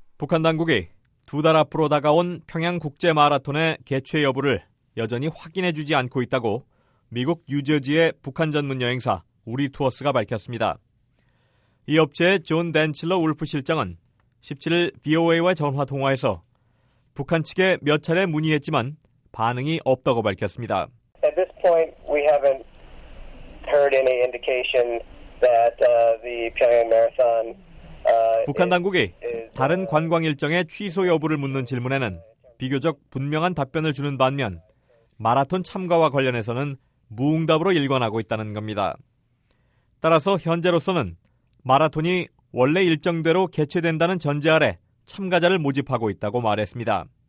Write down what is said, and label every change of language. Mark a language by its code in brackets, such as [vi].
[ko] 북한 당국이 두 달 앞으로 다가온 평양 국제 마라톤의 개최 여부를 여전히 확인해 주지 않고 있다고 미국 뉴저지의 북한 전문 여행사 우리 투어스가 밝혔습니다. 이 업체의 존 댄칠러 울프 실장은 17일 VOA와 전화 통화에서 북한 측에 몇 차례 문의했지만 반응이 없다고 밝혔습니다. [en] At this point, we haven't heard any indication that the Pyongyang Marathon. [ko] 북한 당국이 다른 관광 일정의 취소 여부를 묻는 질문에는 비교적 분명한 답변을 주는 반면 마라톤 참가와 관련해서는 무응답으로 일관하고 있다는 겁니다. 따라서 현재로서는 마라톤이 원래 일정대로 개최된다는 전제 아래 참가자를 모집하고 있다고 말했습니다.